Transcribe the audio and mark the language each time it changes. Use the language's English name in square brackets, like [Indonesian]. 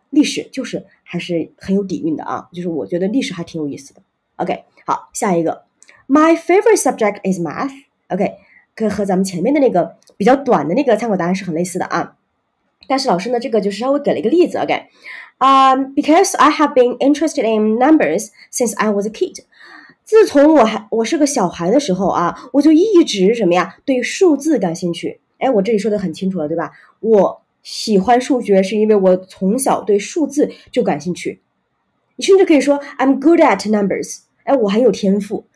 [Chinese] 历史就是还是很有底蕴的啊，就是我觉得历史还挺有意思的。OK, 好，下一个 [English] My favorite subject is math. [Chinese] OK, 可和咱们前面的那个比较短的那个参考答案是很类似的啊。但是老师呢，这个就是稍微给了一个例子 ，OK。 [English] Because I have been interested in numbers since I was a kid. [Chinese] 自从我是个小孩的时候啊，我就一直什么呀，对数字感兴趣。哎，我这里说的很清楚了，对吧？我喜欢数学是因为我从小对数字就感兴趣。你甚至可以说 [English] I'm good at numbers. [Chinese] 哎，我很有天赋。